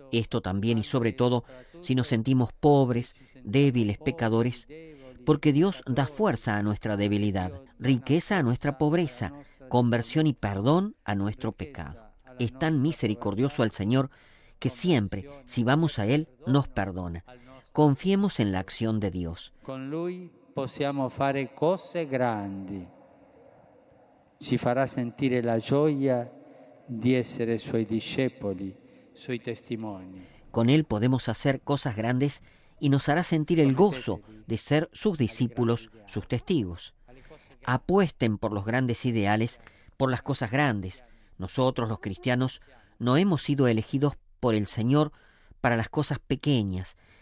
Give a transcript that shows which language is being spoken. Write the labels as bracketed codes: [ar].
[es] Esto también y sobre todo si nos sentimos pobres, débiles, pecadores, porque Dios da fuerza a nuestra debilidad, riqueza a nuestra pobreza, conversión y perdón a nuestro pecado. Es tan misericordioso el Señor que siempre, si vamos a Él, nos perdona. Confiemos en la acción de Dios. [it] Con Lui possiamo fare cose grandi. Ci farà sentire la gioia di essere suoi discepoli, suoi testimoni. [es] Con Él podemos hacer cosas grandes y nos hará sentir el gozo de ser sus discípulos, sus testigos. Apuesten por los grandes ideales, por las cosas grandes. Nosotros, los cristianos, no hemos sido elegidos por el Señor para las cosas pequeñas.